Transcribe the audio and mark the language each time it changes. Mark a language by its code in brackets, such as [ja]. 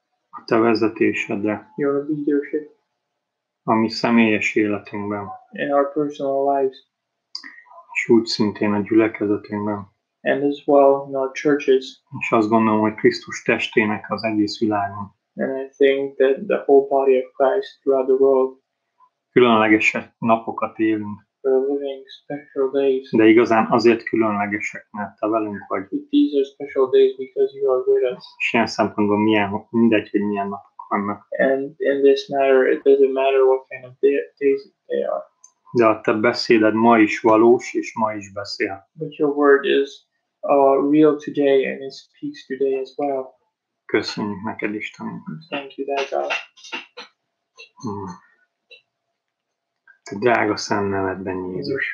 [hu] A te vezetésedre. [en] Your leadership. [hu] A mi személyes életünkben. [en] In our personal lives. [hu] És úgy szintén a gyülekezetünkben. [en] And as well in our churches. [hu] És azt gondolom, hogy Krisztus testének az egész világon. [en] And I think that the whole body of Christ throughout the world. [hu] Különlegesek napokat élünk. [en] We're living special days. [hu] De igazán azért különlegesek, mert te velünk vagy. [en] But these are special days because you are with us. [hu] És ilyen szempontból mindegy, hogy milyen napok vannak. [en] And in this matter, it doesn't matter what kind of days they are. [hu] De a te beszéded ma is valós, és ma is beszél. [en] But your word is real today and it speaks today as well. [hu] Köszönjük neked, Istenünk. [en] Thank you, Dad God. [hu] Te drága szent nevedben, Jézus.